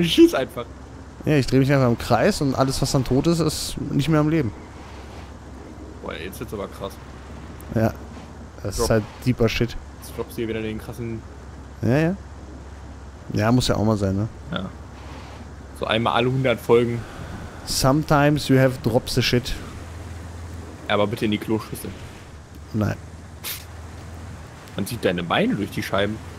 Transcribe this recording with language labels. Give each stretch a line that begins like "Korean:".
German: Ich schieße einfach. Ja, ich drehe mich einfach im Kreis und alles, was dann tot ist, ist nicht mehr am Leben. Boah, jetzt wird's aber krass. Ja. Das ist halt
English: deeper Shit.
German: Jetzt droppst du hier wieder den krassen... Ja, ja. Ja, muss ja auch mal sein, ne? Ja. So einmal alle 100 Folgen.
English: Sometimes you have drops the shit.
German: Ja, aber bitte in die Kloschüssel. Nein. Man sieht deine Beine durch die Scheiben.